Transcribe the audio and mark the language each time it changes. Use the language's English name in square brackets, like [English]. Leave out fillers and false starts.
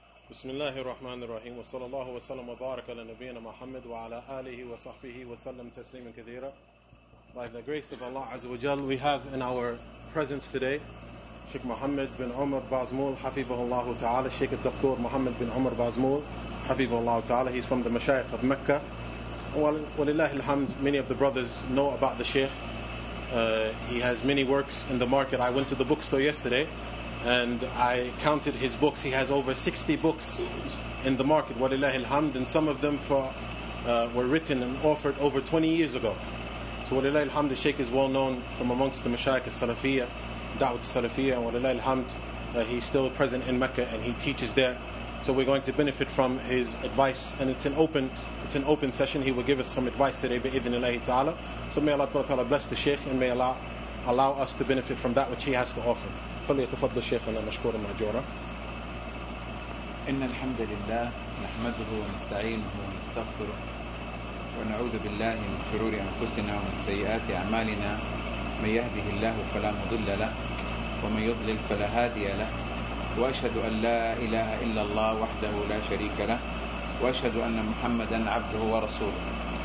[Arabic] بسم الله الرحمن الرحيم وصلى الله وسلم وبارك على نبينا محمد وعلى آله وصحبه وسلم تسليما كثيرا. [English] By the grace of Allah [Arabic] عز وجل, [English] we have in our presence today Sheikh Muhammad bin Umar Bazmul [Arabic] حفظه الله تعالى. Sheikh الدكتور محمد بن عمر بازمول حفظه الله تعالى. [English] He's from the Mashayikh of Mecca. [Arabic] ولله الحمد, [English] many of the brothers know about the Sheikh. He has many works in the market. I went to the bookstore yesterday and I counted his books. He has over 60 books in the market, [Arabic] walillahi alhamd, [English] and some of them were written and offered over 20 years ago. So [Arabic] walillahi alhamd, [English] the Shaykh is well known from amongst the Mashayikh al-Salafiyya, Da'wat al-Salafiyya, and walillahi alhamd, he's still present in Mecca and he teaches there. So we're going to benefit from his advice, and it's an open session. He will give us some advice today, [Arabic] bi'idhnillahi ta'ala. [English] So may Allah ta'ala bless the Shaykh, and may Allah allow us to benefit from that which he has to offer. [Arabic] فليتفضل شيخنا المشكور المأجور. إن الحمد لله نحمده ونستعينه ونستغفره ونعوذ بالله من شرور أنفسنا ومن سيئات أعمالنا, من يهده الله فلا مضل له ومن يضلل فلا هادي له, وأشهد أن لا إله إلا الله وحده لا شريك له, وأشهد أن محمدا عبده ورسوله.